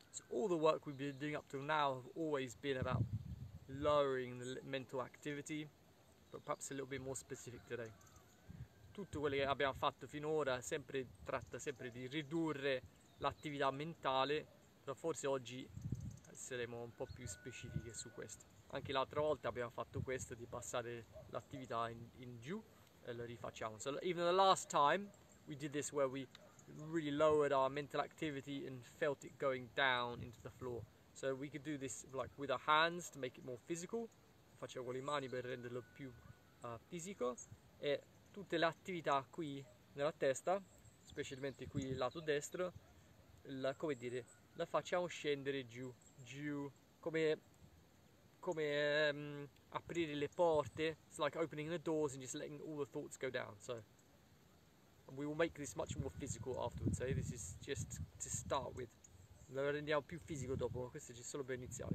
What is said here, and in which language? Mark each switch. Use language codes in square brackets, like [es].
[en] All the work we've been doing up till now have always been about lowering the mental activity, but perhaps a little bit more specific today. [it] Tutto quello che abbiamo fatto finora sempre tratta sempre di ridurre l'attività mentale, però forse oggi saremo un po' più specifiche su questo. Anche l'altra volta abbiamo fatto questo di passare l'attività in giù e lo rifacciamo. [en] So even the last time we did this where we really lowered our mental activity and felt it going down into the floor. So we could do this like with our hands to make it more physical. [it] Faccio con le mani per renderlo più fisico. E tutte le attività qui nella testa, specialmente qui il lato destro, la facciamo scendere giù, come aprire le porte. [en] It's like opening the doors and just letting all the thoughts go down. So. And we will make this much more physical afterwards, eh? This is just to start with. [it] Lo rendiamo più fisico dopo, questo è solo per iniziare.